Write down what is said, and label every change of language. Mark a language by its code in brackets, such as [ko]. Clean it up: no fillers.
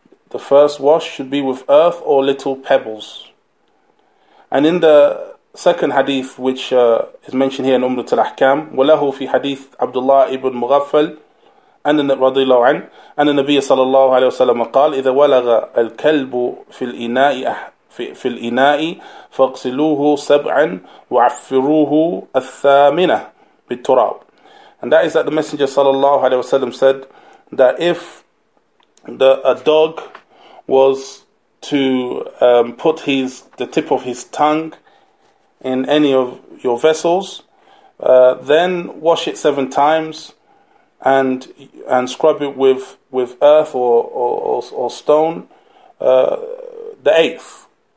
[en] The first wash should be with earth or little pebbles. And in the second hadith which is mentioned here in Umrat al-Ahkam, [ar] وله في حديث عبد الله ابن مغفل رضي الله عنه أن النبي صلى الله عليه وسلم قال إذا ولغ الكلب في الإناء في الإناء فاغسلوه سبعا وعفروه الثامنة بالتراب. [en] And that is that the Messenger sallallahu alaihi wasallam said that if a dog was to put the tip of his tongue in any of your vessels, then wash it seven times and scrub it with earth or stone the eighth.